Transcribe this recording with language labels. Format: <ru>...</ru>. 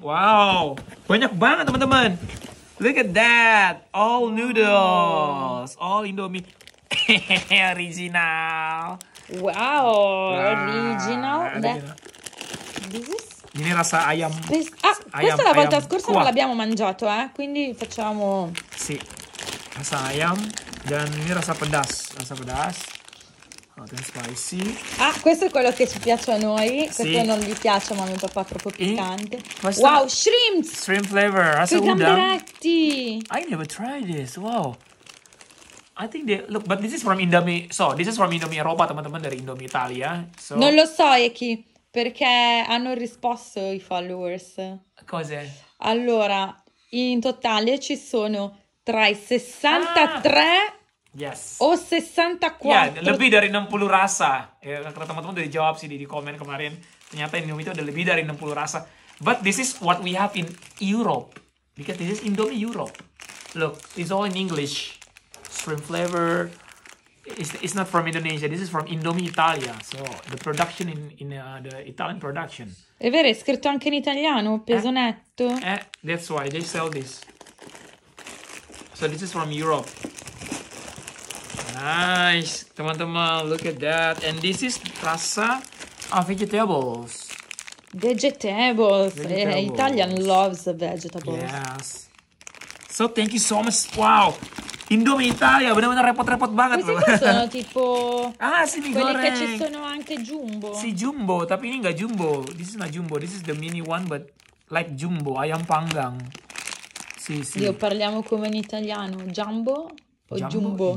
<id>Wow, banyak banget teman-teman.</id> <en>Look at that. All noodles. Oh. All Indomie. Original. Wow, original.</en> <it>Viene rasa ayam. Questa la volta scorsa non l'abbiamo mangiato, quindi facciamo...</it> <id>Sì, rasa ayam, dan ini rasa pedas.</id> <en>Oh, then spicy.</en> <it>Ah, questo è quello che ci piace a noi, questo non gli piace, ma a mio papà è troppo piccante.</it> <en>Wow, shrimps! Shrimp flavor,</en> <id>rasa udang.</id> <it>Con gamberetti!</it> <en>I never tried this, wow. I think they look, but this is from Indomie, so this is from Indomie Eropa,</en> <id>teman-teman, dari Indomie Italia.</id> <en>So.</en> <it>Non lo so, Eki. Perché hanno risposto i followers. Cos'è? Allora, in totale ci sono tra i 63 o 64.</it> <id>Yeah, lebih dari 60 rasa. Teman-teman udah dijawab sih di komen kemarin. Ternyata Indomie itu ada lebih dari 60 rasa.</id> <en>But this is what we have in Europe. Because this is Indomie Europe. Look, it's all in English. Shrimp flavor. It's not from Indonesia. This is from Indomie Italia. So, the production in the Italian production.</en> <it>È vero, è scritto anche in italiano, peso netto.</it> <en>That's why they sell this. So, this is from Europe. Nice. Teman-teman, look at that. And this is rasa of vegetables. Vegetables. Italian loves vegetables. Yes. So, thank you so much. Wow. Indomie Italia,</en> <id>benar-benar repot-repot banget.</id> <it>Questi sono tipo... Ah, sì, mi quelli</it> <id>goreng.</id> <it>Quelli che ci sono anche jumbo.</it> <id>Sì, jumbo, tapi ini gak jumbo.</id> <en>This is not jumbo, this is the mini one, but like jumbo, ayam panggang.</en> <it>Sì, sì. Io parliamo come in italiano, jumbo o jumbo?</it>